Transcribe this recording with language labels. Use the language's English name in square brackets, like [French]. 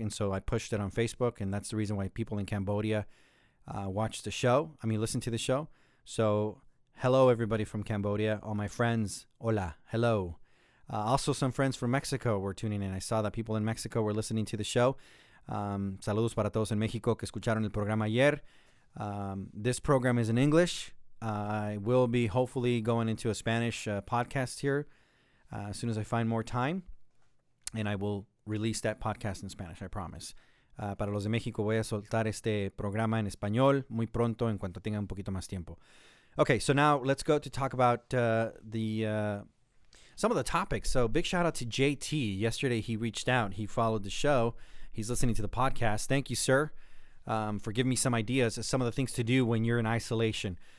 [English] And so I pushed it on Facebook. And that's the reason why people in Cambodia listened to the show. So hello, everybody from Cambodia. All my friends. Hola. Hello. Also, some friends from Mexico were tuning in. I saw that people in Mexico were listening to the show. [Spanish] Saludos para todos en México que escucharon el programa ayer. [English] This program is in English. I will be hopefully going into a Spanish podcast here as soon as I find more time. And I will release that podcast in Spanish, I promise. [Spanish] Para los de México, voy a soltar este programa en español muy pronto en cuanto tenga un poquito más tiempo. [English] Okay, so now let's go to talk about some of the topics. So big shout out to JT. Yesterday he reached out. He followed the show. He's listening to the podcast. Thank you, sir, for giving me some ideas of some of the things to do when you're in isolation.